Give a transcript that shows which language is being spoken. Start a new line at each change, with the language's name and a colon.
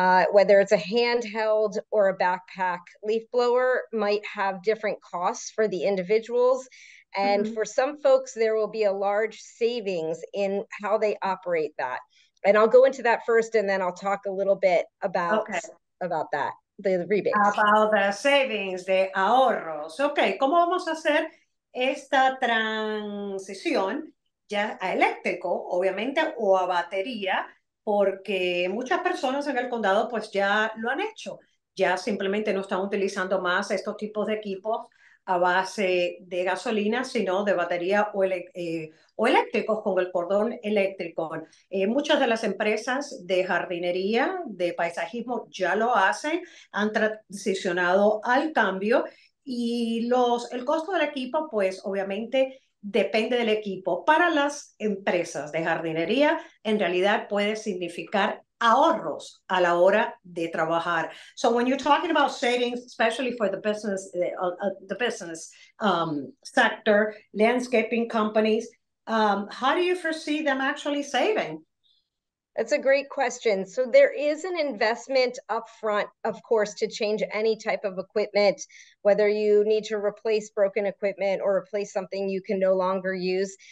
English: Whether it's a handheld or a backpack leaf blower might have different costs for the individuals. And mm-hmm. for some folks, there will be a large savings in how they operate that. And I'll go into that first, and then I'll talk a little bit about that, the rebate. About the savings, the ahorros.
Spanish: Okay, ¿cómo vamos a hacer esta transición ya a eléctrico, obviamente, o a batería? Porque muchas personas en el condado pues ya lo han hecho, ya simplemente no están utilizando más estos tipos de equipos a base de gasolina, sino de batería o eléctricos con el cordón eléctrico. Muchas de las empresas de jardinería, de paisajismo ya lo hacen, han transicionado al cambio y el costo del equipo pues obviamente depende del equipo. Para las empresas de jardinería, en realidad puede significar ahorros a la hora de trabajar.
English: So when you're talking about savings, especially for the business sector, landscaping companies, how do you foresee them actually saving? That's a great question. So there is an investment upfront, of course, to change any type of equipment, whether you need to replace broken equipment or replace something you can no longer use.